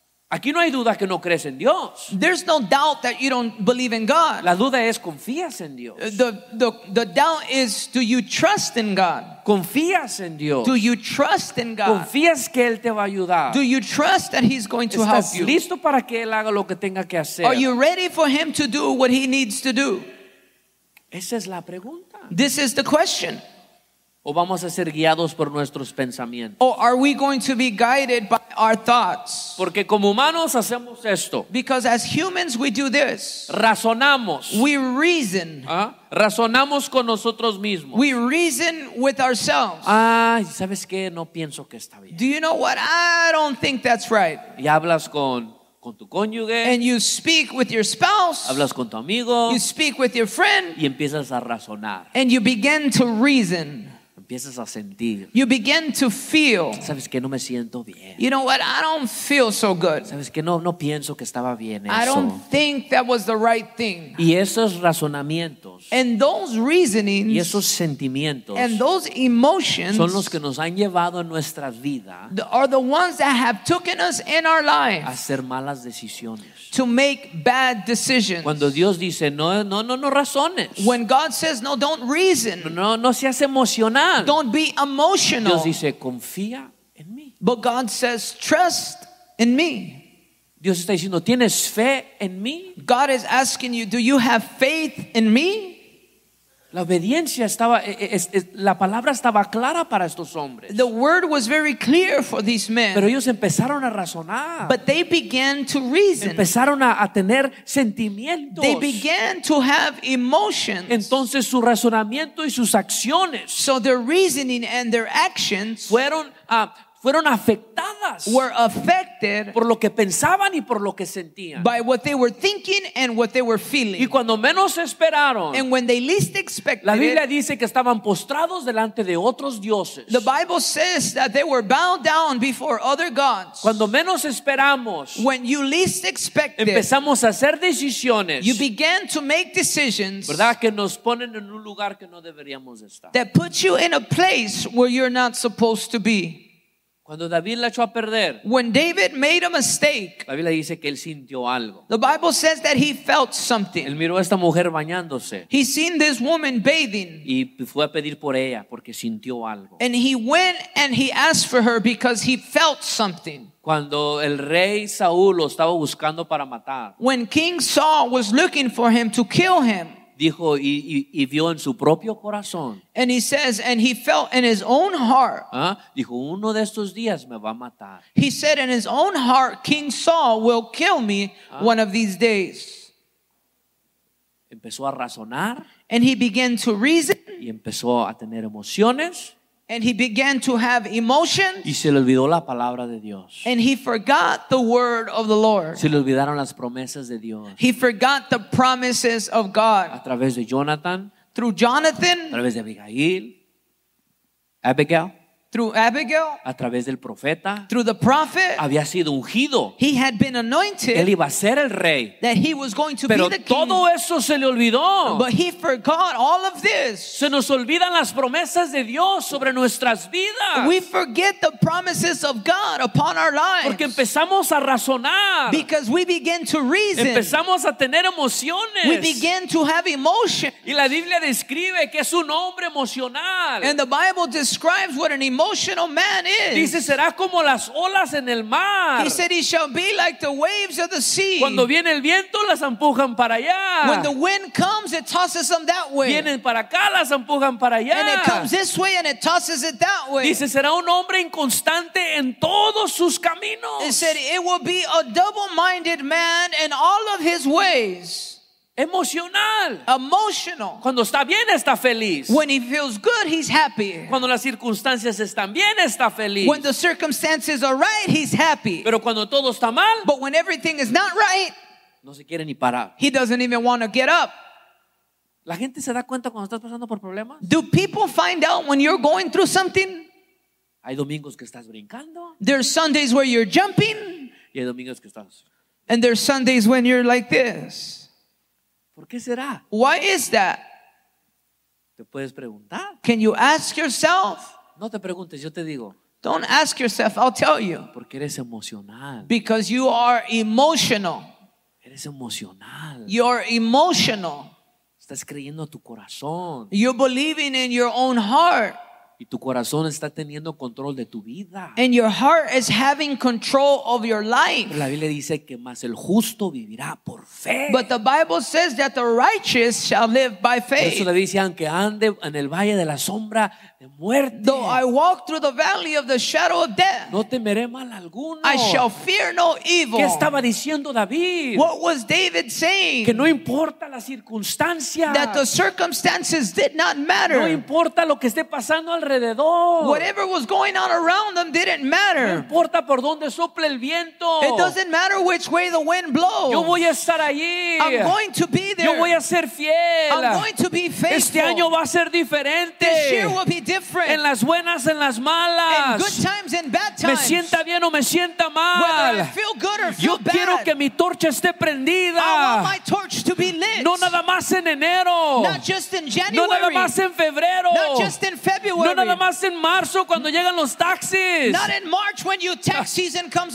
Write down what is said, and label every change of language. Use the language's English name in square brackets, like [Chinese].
[Spanish] Aquí no hay duda que no crees en Dios. [English] There's no doubt that you don't believe in God. [Spanish] La duda es, ¿confías en Dios? [English] The doubt is, do you trust in God? [Spanish] ¿Confías en Dios? [English] Do you trust in God? [Spanish] ¿Confías que Él te va a ayudar? [English] Do you trust that He's going to help you? [Spanish] ¿Estás listo para que Él haga lo que tenga que hacer? [English] Are you ready for Him to do what He needs to do? [Spanish] Esa es la pregunta. [English] This is the question. [Spanish] ¿O vamos a ser guiados por nuestros pensamientos? [English] Or are we going to be guided by our thoughts? [Spanish] Porque como humanos hacemos esto. [English] Because as humans we do this. [Spanish] Razonamos. [English] We reason. [Spanish] Razonamos con nosotros mismos. [English] We reason with ourselves. [Spanish] ¿Sabes qué? No pienso que está bien. [English] Do you know what? I don't think that's right. [Spanish] Y hablas con tu cónyuge. [English] And you speak with your spouse. [Spanish] Hablas con tu amigo. [English] You speak with your friend. [Spanish] Y empiezas a razonar. [English] And you begin to reason. [Spanish] Empiezas a sentir. [English] You begin to feel. [Spanish] ¿Sabes que no me siento bien? [English] You know what? I don't feel so good. [Spanish] ¿Sabes que no pienso que estaba bien eso? [English] I don't think that was the right thing. [Spanish] Y esos razonamientos. [English] And those reasonings. [Spanish] Y esos sentimientos. [English] And those emotions. [Spanish] Son los que nos han llevado en nuestras vidas. [English] Are the ones that have taken us in our lives. [Spanish] A hacer malas decisiones. [English] To make bad decisions. [Spanish] Cuando Dios dice no razones. [English] When God says no, don't reason. [Spanish] No seas emocional. [English] Don't be emotional. [Spanish] Dios dice confía en mí. [English] But God says trust in me. [Spanish] Dios está diciendo tienes fe en mí. [English] God is asking you, do you have faith in me? [Spanish] La obediencia estaba la palabra estaba clara para estos hombres. [English] The word was very clear for these men. [Spanish] Pero ellos empezaron a razonar. [English] But they began to reason. [Spanish] Empezaron a tener sentimientos. [English] They began to have emotions. [Spanish] Entonces su razonamiento y sus acciones. [English] So their reasoning and their actions [Spanish] fueron afectadas. [English] Were affected [Spanish] por lo que pensaban y por lo que sentían. [English] By what they were thinking and what they were feeling. [Spanish] Y cuando menos esperaron. [English] And when they least expected. [Spanish] La Biblia dice que estaban postrados delante de otros dioses. [English] The Bible says that they were bowed down before other gods. [Spanish] Cuando menos esperamos. [English] When you least expected. [Spanish] Empezamos a hacer decisiones. [English] You began to make decisions. [Spanish] ¿Verdad? Que nos ponen en un lugar que no deberíamos estar. [English] That put you in a place where you're not supposed to be. [Spanish] Cuando David la echó a perder, [English] when David made a mistake, [Spanish] la Biblia dice que él sintió algo. [English] The Bible says that he felt something. [Spanish] Él miró a esta mujer bañándose. [English] He seen this woman bathing. [Spanish] Y fue a pedir por ella porque sintió algo. [English] And he went and he asked for her because he felt something. [Spanish] Cuando el rey Saúl lo estaba buscando para matar, [English] when King Saul was looking for him to kill him, [Spanish] dijo y vio en su propio corazón. [English] And he says, and he felt in his own heart. [Spanish] Dijo, uno de estos días me va a matar. [English] He said, in his own heart, King Saul will kill me one of these days. [Spanish] Empezó a razonar. [English] And he began to reason. [Spanish] Y empezó a tener emociones. [English] And he began to have emotions. [Spanish] Y se le olvidó la palabra de Dios. [English] And he forgot the word of the Lord. [Spanish] Se le olvidaron las promesas de Dios. [English] He forgot the promises of God. [Spanish] A través de Jonathan. [English] Through Jonathan. [Spanish] A través de Abigail. Abigail. [English] Through Abigail. [Spanish] A través del profeta. [English] Through the prophet. [Spanish] Había sido ungido. [English] He had been anointed. [Spanish] Él iba a ser el rey. [English] That he was going to [Spanish] pero [English] be the king. [Spanish] Pero todo eso se le olvidó. [English] But he forgot all of this. [Spanish] Se nos olvidan las promesas de Dios sobre nuestras vidas. [English] We forget the promises of God upon our lives. [Spanish] Porque empezamos a razonar. [English] Because we begin to reason. [Spanish] Empezamos a tener emociones. [English] We begin to have emotion. [Spanish] Y la Biblia describe que es un hombre emocional. [English] And the Bible describes what an emotional man is. [Spanish] Dice, será como las olas en el mar. [English] He said he shall be like the waves of the sea. [Spanish] Cuando viene el viento, las empujan para allá. [English] When the wind comes, it tosses them that way. [Spanish] Vienen para acá, las empujan para allá. [English] And it comes this way and it tosses it that way. [Spanish] Dice, será un hombre inconstante en todos sus caminos. [English] He said it will be a double-minded man in all of his ways. [Spanish] Emocional. [English] Emotional. [Spanish] Cuando está bien está feliz. [English] When he feels good, he's happy. [Spanish] Cuando las circunstancias están bien está feliz. [English] When the circumstances are right, he's happy. [Spanish] Pero cuando todo está mal, [English] but when everything is not right, [Spanish] no se quiere ni parar. [English] He doesn't even want to get up. [Spanish] ¿La gente se da cuenta cuando estás pasando por problemas? [English] Do people find out when you're going through something? [Spanish] Hay domingos que estás brincando. [English] There's Sundays where you're jumping. [Spanish] Y hay domingos que estás. [English] And there's Sundays when you're like this. [Spanish] ¿Por qué será? [English] Why is that? [Spanish] ¿Te puedes preguntar? [English] Can you ask yourself? [Spanish] No te preguntes, yo te digo. [English] Don't ask yourself, I'll tell you. [Spanish] Porque eres emocional. [English] Because you are emotional. [Spanish] Eres emocional. [English] You're emotional. [Spanish] Estás creyendo tu corazón. [English] You're believing in your own heart. [Spanish] Y tu corazón está teniendo control de tu vida. [English] And your heart is having control of your life. [Spanish] La Biblia dice que más el justo vivirá por fe. [English] But the Bible says that the righteous shall live by faith. [Spanish] Eso le dice aunque ande en el valle de la sombra de muerte. [English] Though I walk through the valley of the shadow of death, [Spanish] no temeré mal alguno. [English] I shall fear no evil. [Spanish] ¿Qué estaba diciendo David? [English] What was David saying? [Spanish] Que no importa la circunstancia. [English] That the circumstances did not matter. [Spanish] No importa lo que esté pasando alrededor. [English] Whatever was going on around them didn't matter. [Spanish] No importa por dónde sople el viento. [English] It doesn't matter which way the wind blows. [Spanish] Yo voy a estar allí. [English] I'm going to be there. [Spanish] Yo voy a ser fiel. [English] I'm going to be faithful. [Spanish] Este año va a ser diferente. [English] This year will be different. [Spanish] En las buenas, en las malas. [English] In good times and bad times. [Spanish] Me sienta bien o me sienta mal. [English] Whether I feel good or feel [Spanish] yo [English] bad. [Spanish] Yo quiero que mi torcha esté prendida. [English] I want my torch to be lit. [Spanish] No nada más en enero. [English] Not just in January. [Spanish] No nada más en febrero. [English] Not just in February. [Spanish] No nada más en marzo cuando llegan los taxis. [English] Not in March when your tax season comes